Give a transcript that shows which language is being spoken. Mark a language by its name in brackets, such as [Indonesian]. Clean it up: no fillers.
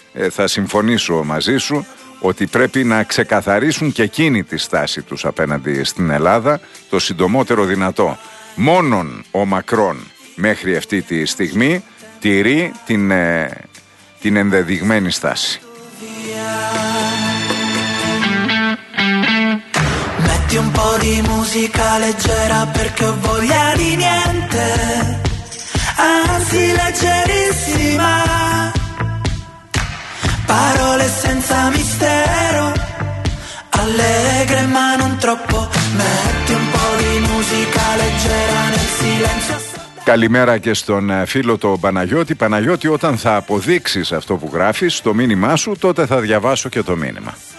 [Greek] Θα συμφωνήσω μαζί σου ότι πρέπει να ξεκαθαρίσουν και εκείνοι τη στάση τους απέναντι στην Ελλάδα το συντομότερο δυνατό. Μόνον ο Μακρόν μέχρι αυτή τη στιγμή τηρεί την ενδεδειγμένη στάση. [Italian] Un po' di musica leggera perché ho voglia di niente, anzi leggerissima, parole senza mistero, allegre ma non troppo. Metti un po' di musica leggera nel silenzio. [Greek] Καλημέρα και στον φίλο τον Παναγιώτη. Παναγιώτη, όταν θα αποδείξεις αυτό που γράφεις στο μήνυμά σου, τότε θα διαβάσω και το μήνυμα.